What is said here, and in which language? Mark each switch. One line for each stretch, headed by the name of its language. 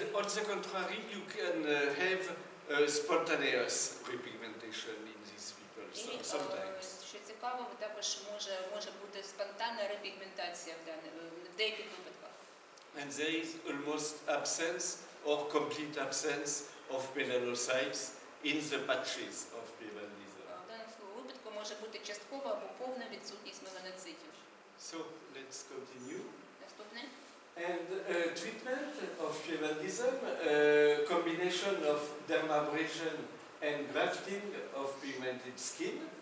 English: And on the contrary, you can have spontaneous repigmentation in these people sometimes.
Ukrainian: Що цікаво, також може бути спонтанна репігментація в деяких випадках.
English: And there is almost absence or complete absence of melanocytes in the patches of piebaldism.
Ukrainian: В даному випадку може бути часткова або повна відсутність меланоцитів.
English: So, let's continue.
Ukrainian: Наступне.
English: And treatment of piebaldism, combination of dermabrasion and grafting of pigmented skin.